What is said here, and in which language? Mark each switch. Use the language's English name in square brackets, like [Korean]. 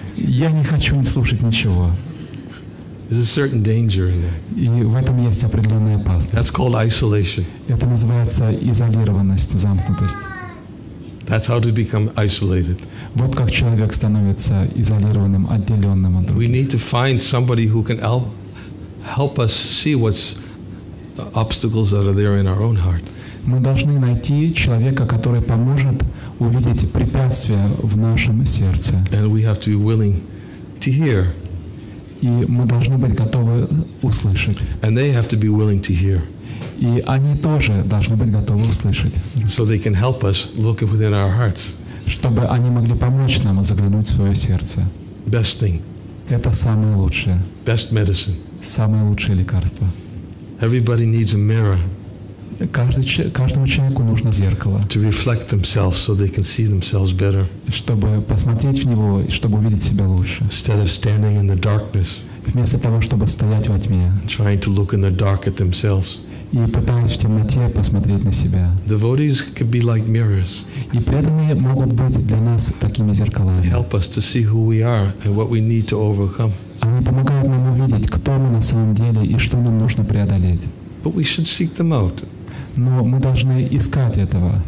[Russian] Я не хочу слушать ничего. [English] There's a certain danger in there. [Russian] И в этом есть определенная опасность. [English] That's called isolation. [Russian] Это называется изолированность, замкнутость. [English] That's how to become isolated. [Russian] Вот как человек становится изолированным, отделенным от других. [English] We need to find somebody who can help us see what's the obstacles that are there in our own heart. [Russian] Мы должны найти человека, который поможет увидеть препятствия в нашем сердце. [English] And we have to be willing to hear. [Russian] И мы должны быть готовы услышать. [English] And they have to be willing to hear. [Russian] И они тоже должны быть готовы услышать. [English] So they can help us look within our hearts. [Russian] Чтобы они могли помочь нам заглянуть в свое сердце. [English] Best thing. [Russian] Это самое лучшее. [English] Best medicine. [Russian] Самое лучшее лекарство. [English] Everybody needs a mirror. [Russian] каждому человеку нужно зеркало. [English] To reflect themselves so they can see themselves better. [Russian] Чтобы посмотреть в него и чтобы увидеть себя лучше. [English] Instead of standing in the darkness. [Russian] Вместо того, чтобы стоять во тьме. [English] Trying to look in the dark at themselves. [Russian] И пытаясь в темноте посмотреть на себя. [English] Devotees can be like mirrors. [Russian] И преданные могут быть для нас такими зеркалами. [English] Help us to see who we are and what we need to overcome. [Russian] Они помогают нам увидеть, кто мы на самом деле и что нам нужно преодолеть. [English] But we should seek them out. [Russian] Но мы должны искать этого.